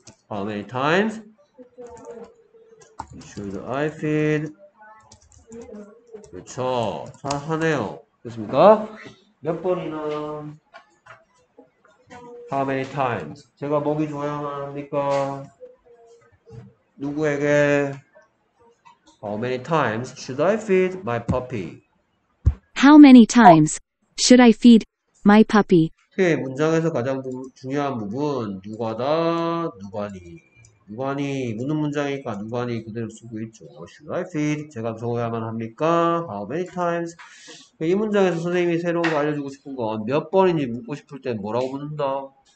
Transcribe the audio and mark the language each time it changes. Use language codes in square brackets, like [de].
[en] How many times should I feed? [ko] 그렇죠. 잘 하네요. 됐습니까? 몇 번이나? [en] How many times? [ko] 제가 먹이 줘야만 합니까? 누구에게? [en] How many times should I feed my puppy? How many times should I feed my puppy? [ko] 오케이. 문장에서 가장 중요한 부분. 누가다? 누가니? 누가니 묻는 문장이니까 누가니 그대로 쓰고 있죠. [en] Should I feed? [ko] 제가 먹여야만 합니까? [en] How many times? [ko] 이 문장에서 선생님이 새로운 거 알려주고 싶은 건몇 번인지 묻고 싶을 때 뭐라고 묻는다?